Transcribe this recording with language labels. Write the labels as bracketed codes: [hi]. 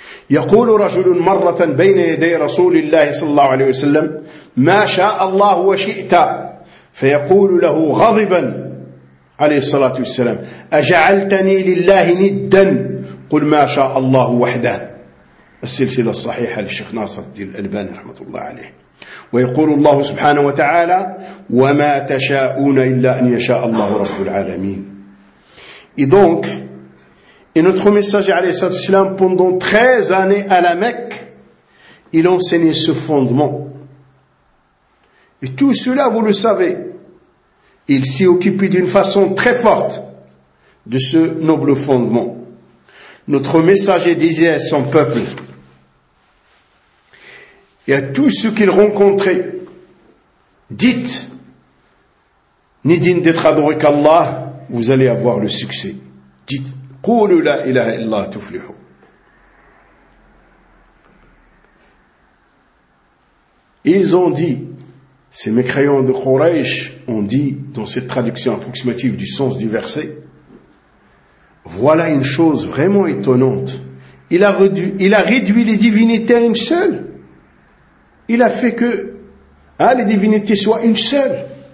[ar] يقول رجل مرة بين يدي رسول الله صلى الله عليه وسلم ما شاء الله وشئت، فيقول له غضبا عليه الصلاة والسلام أجعلتني لله ندا، قل ما شاء الله وحده. السلسلة الصحيحة للشيخ ناصر الدين الألباني رحمة الله عليه. ويقول الله سبحانه وتعالى وما تشاءون إلا أن يشاء الله رب العالمين. [fr] إذنك et notre messager [ar] عليه الصلاة والسلام [fr] pendant 13 années à la Mecque il enseignait ce fondement. Et tout cela, vous le savez, il s'est occupé d'une façon très forte de ce noble fondement. Notre messager disait à son peuple et à tous ceux qu'il rencontrait, dites, ni digne d'être adoré qu'Allah, vous allez avoir le succès. Dites, [ar] قولوا لا إله إلا الله تفلحوا. [fr] Ils ont dit, ces mécréants de Quraysh ont dit dans cette traduction approximative du sens du verset, voilà une chose vraiment étonnante. Il a réduit les divinités à une seule. Il a fait que les divinités soient une seule.